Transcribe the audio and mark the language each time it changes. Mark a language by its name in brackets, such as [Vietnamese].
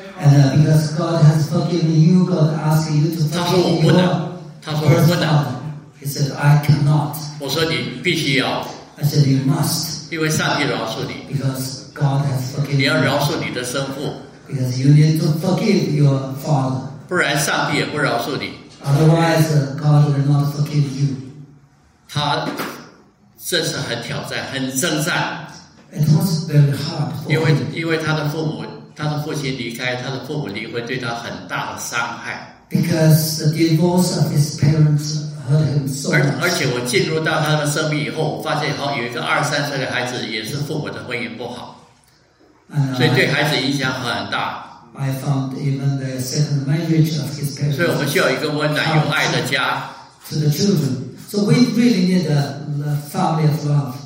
[English] And because God has forgiven you, God asks you to forgive. [Chinese] 他说我不能，他说我不能。 [English] He said I cannot. [Chinese] 我说你必须要。 [English] I said you must. [Chinese] 因为上帝饶恕你。 [English] Because God has forgiven. [Chinese] 你要饶恕你的生父。 [English] Because you need to forgive your father. [Chinese] 不然上帝也不饶恕你。 [English] Otherwise, God will not forgive you. [Chinese] 他这是很挑战，很征战。 [English] It was very hard. [Chinese] 因为他的父母。他的父亲离开，他的父母离婚，对他很大的伤害。 [English] Because the divorce of his parents hurt him so much. [Chinese] 而且我进入到他的生命以后，发现好有一个2-3岁的孩子也是父母的婚姻不好，所以对孩子影响很大。 [English] I found even the second marriage of his parents. [Chinese] 所以我们需要一个温暖又爱的家。 [English] To the children, so we really need a family of love.